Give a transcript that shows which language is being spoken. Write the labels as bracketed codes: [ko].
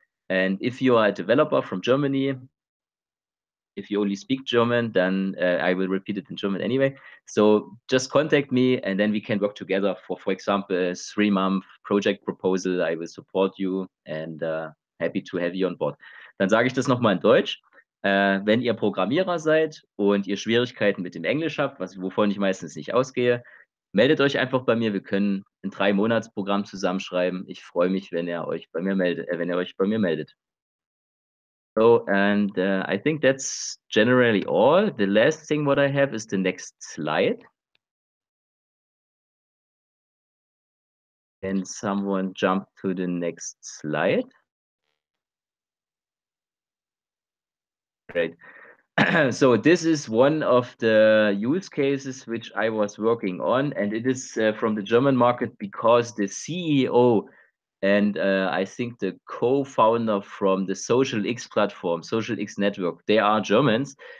[en] And if you are a developer from Germany, if you only speak German, then I will repeat it in German anyway. So just contact me and then we can work together for example, a 3-month project proposal. I will support you and happy to have you on board. [de] Dann sage ich das nochmal in Deutsch. Wenn ihr Programmierer seid und ihr Schwierigkeiten mit dem Englisch habt, wovon ich meistens nicht ausgehe, meldet euch einfach bei mir. Wir können ein 3-Monats-Programm zusammenschreiben. Ich freue mich, wenn ihr euch bei mir meldet. [en] So, and I think that's generally all. The last thing what I have is the next slide. Can someone jump to the next slide? great. So this is one of the use cases which I was working on, and it is from the German market, because the CEO and I think the co-founder from the Social X platform, Social X Network, they are Germans.